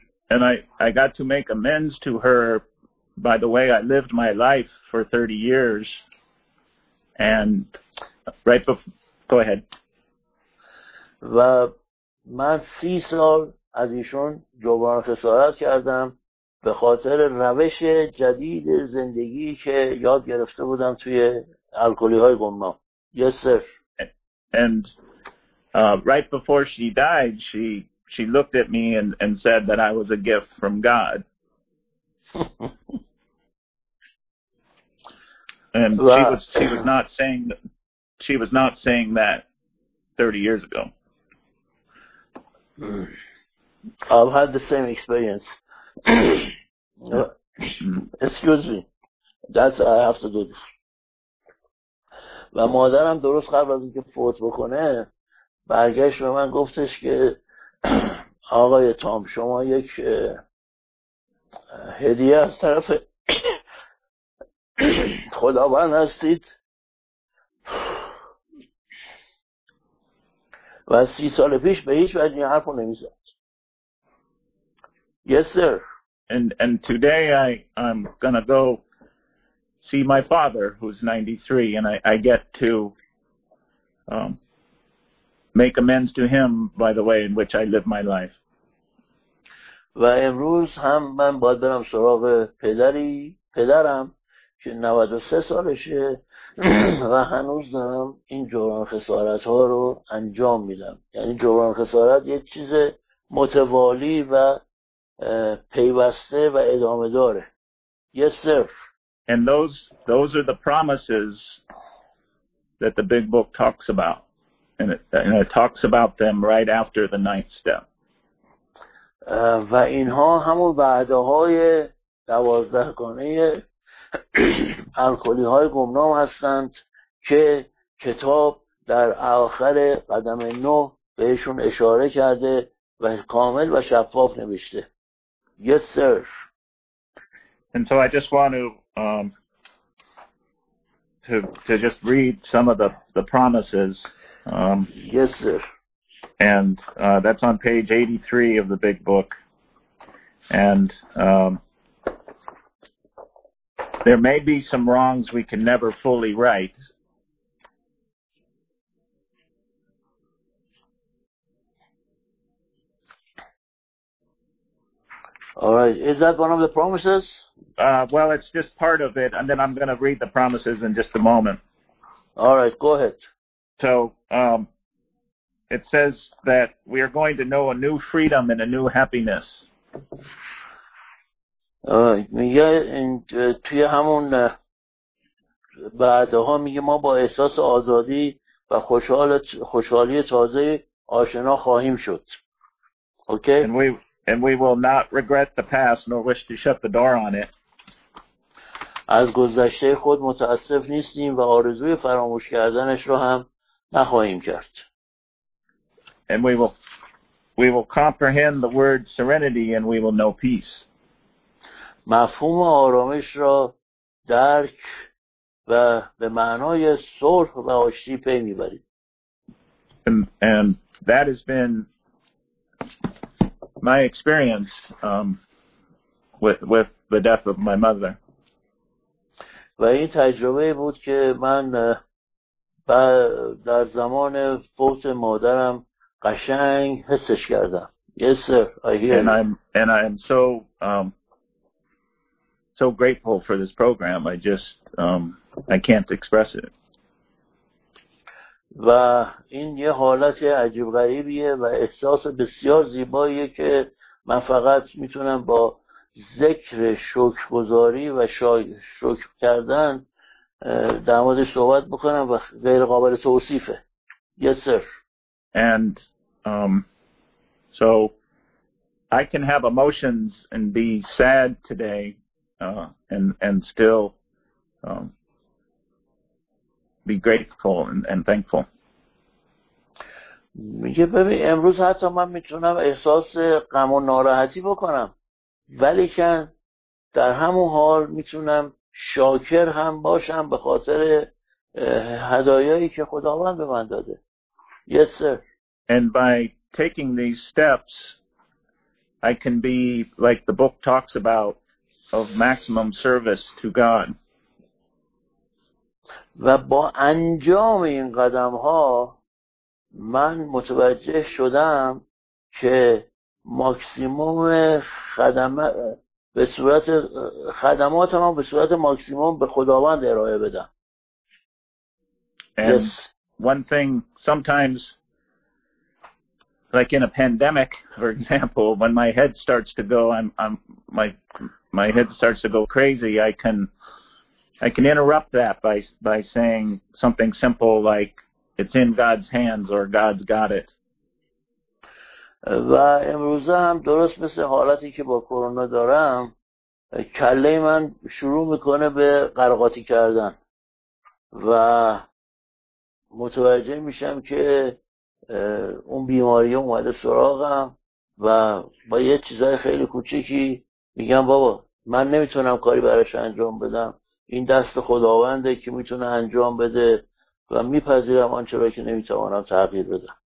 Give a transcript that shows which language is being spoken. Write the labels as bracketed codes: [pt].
[en] And I got to make amends to her by the way I lived my life for 30 years. And right before, go ahead. [fa] و من 30 سال از ایشون جبران خسارت کردم به خاطر روش جدید زندگی که یاد گرفته بودم توی الکلی‌های گمنام. [en] Yes, sir. And right before she died, she looked at me and said that I was a gift from God. And she was not saying that 30 years ago. I've had the same experience. Excuse me. That's I have to do this. [fa] و مادرم درست قبل از اینکه فوت بکنه برگشت به من گفتش که آقای تام، شما یک هدیه از طرف خداوند هستید و 30 سال پیش به هیچ وجه این حرف رو نمیزد. [en] Yes, sir. And today I'm gonna go see my father, who's 93, and I get to make amends to him by the way in which I live my life. [fa] و امروز هم من باید برم سراغ پدرم که 93 سالشه و هنوز دارم این جبران خسارت ها رو انجام میدم. یعنی جبران خسارت یه چیز متوالی و پیوسته و ادامه داره. [en] Yes, sir. And those are the promises that the big book talks about. And it talks about them right after the ninth step. [fa] و اینها همون وعده های 12 گانه الکلی های گمنام هستند که کتاب در آخر قدم 9 بهشون اشاره کرده و کامل و شفاف نوشته. [en] Yes, sir. And so I just want to just read some of the promises. Yes, sir. And that's on page 83 of the big book. And there may be some wrongs we can never fully right. All right. Is that one of the promises? Well, it's just part of it, and then I'm going to read the promises in just a moment. All right. Go ahead. So it says that we are going to know a new freedom and a new happiness. [fa] میگه این توی همون بعدها میگه ما با احساس آزادی و خوشحالی تازه آشنا خواهیم شد. [en] Okay. And we will not regret the past nor wish to shut the door on it. [fa] از گذشته خود متاسف نیستیم و آرزوی فراموش کردنش رو هم نخواهیم کرد. [en] And we will comprehend the word serenity and we will know peace. [fa] مفهوم آرامش را درک و به معنای صلح و آشتی پی میبریم. [en] And that has been my experience with the death of my mother. [fa] و این تجربه بود که من در زمان فوت مادرم قشنگ حسش کردم. [en] Yes, sir. I hear. And I am so so grateful for this program. I just I can't express it. [fa] و این یه حالت عجیب غریبیه و احساس بسیار زیباییه که من فقط میتونم با ذکر شکرگزاری و شکر کردن در موردش صحبت بکنم و غیر قابل توصیفه. [en] Yes, sir. And so I can have emotions and be sad today and still be grateful and thankful. [fa] میگه ببین امروز حتی من میتونم احساس غم و ناراحتی بکنم ولی که در همون حال میتونم شاکر هم باشم به خاطر هدایایی که خداوند به من داده. [en] Yes, sir. And by taking these steps I can be like the book talks about of maximum service to God. [fa] و با انجام این قدم ها من متوجه شدم که ماکسیموم خدمه به صورت خدمات هم به صورت ماکسیموم به خداوند ارائه بدم. [en] And one thing sometimes like in a pandemic for example when my head starts to go my head starts to go crazy I can interrupt that by saying something simple like it's in God's hands or God's got it. [fa] و امروز هم درست مثل حالتی که با کرونا دارم کله من شروع میکنه به قرقاتی کردن و متوجه میشم که اون بیماری اومده سراغم و با یه چیزای خیلی کوچیکی میگم بابا من نمیتونم کاری براش انجام بدم، این دست خداونده که میتونه انجام بده و میپذیرم آنچه را که نمیتوانم تغییر بدم.